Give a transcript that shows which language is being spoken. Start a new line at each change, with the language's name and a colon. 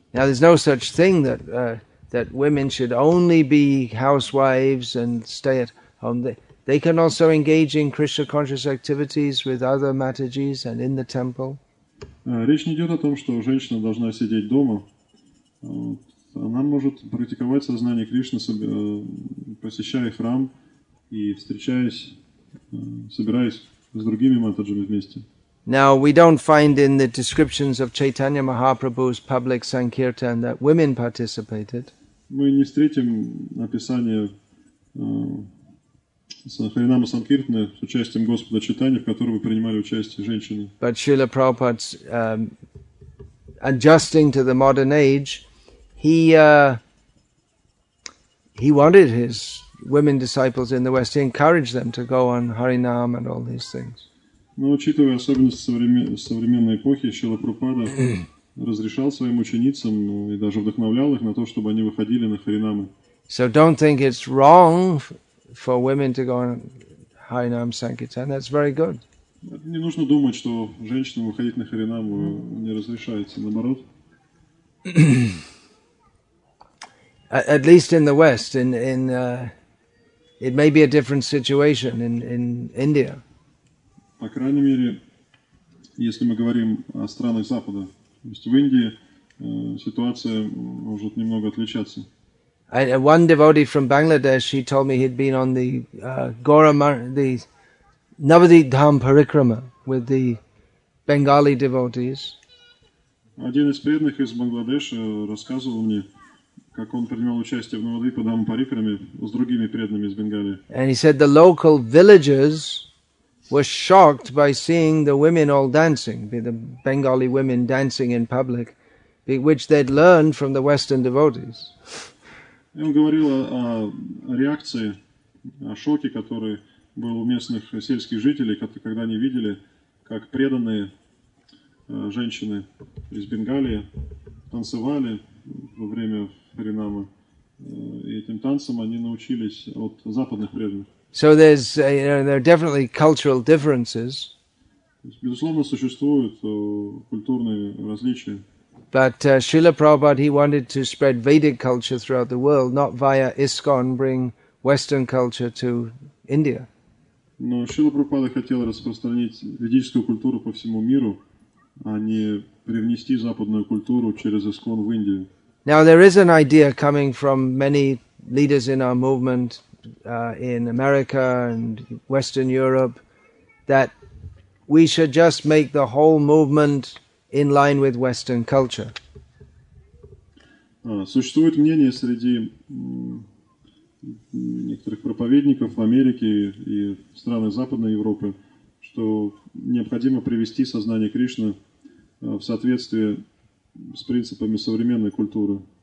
English: Now there's no such thing that that women should only be housewives and stay at home. They can also engage in Krishna conscious activities with other matajis and in the temple.
Russian: Речь не идет о том, что женщина должна сидеть дома. Она может практиковать сознание Кришны, посещая храм и собираясь с другими матаджами вместе.
English: Now, we don't find in the descriptions of Chaitanya Mahaprabhu's public Sankirtan that women participated.
Russian: Мы не встретим описание Харинама Санкиртаны с участием Господа Чайтаньи, в котором принимали участие женщины.
English: But Srila Prabhupada's adjusting to the modern age, he wanted his women disciples in the West, he encouraged them to go on Harinam and all these things.
Russian: Но учитывая особенности современной эпохи, Шрила Прабхупада разрешал своим ученицам и даже вдохновлял их на то, чтобы они выходили на харинамы.
English: So don't think it's wrong for women to go on Harinam Sankirtan. That's very good.
Russian: Не нужно думать, что женщинам выходить на харинаму не разрешается, наоборот.
English: At least in the West, it may be a different situation in India.
Russian: По крайней мере, если мы говорим о странах Запада, то есть в Индии ситуация может немного отличаться.
English: One devotee from Bangladesh, he told me he'd been on the the Navadvip Dham Parikrama with the Bengali devotees.
Russian: Один из преданных из Бангладеш рассказывал мне, как он принимал участие в Навадвип Дхам Парикраме с другими преданными из Бенгалии.
English: And he said the local villagers was shocked by seeing the women all dancing, the Bengali women dancing in public, which they'd learned from the Western devotees.
Russian: Он говорил о реакции, о шоке, который был у местных сельских жителей, когда они видели, как преданные женщины из Бенгалии танцевали во время харинама, и этим танцам они научились от западных преданных.
English: So there's, you know, there are definitely cultural differences.
Russian: Безусловно, существуют культурные различия.
English: But Srila Prabhupada, he wanted to spread Vedic culture throughout the world, not via ISKCON, bring Western culture to India.
Russian: Но Srila Prabhupada хотел распространить ведическую культуру по всему миру, а не привнести западную культуру через ISKCON в Индию.
English: Now there is an idea coming from many leaders in our movement, in America and Western Europe, that we should just make the whole movement in line with Western culture.
Russian: Существует мнение среди некоторых проповедников в Америке и в странах Западной Европы, что необходимо привести сознание Кришны в соответствие с принципами современной культуры.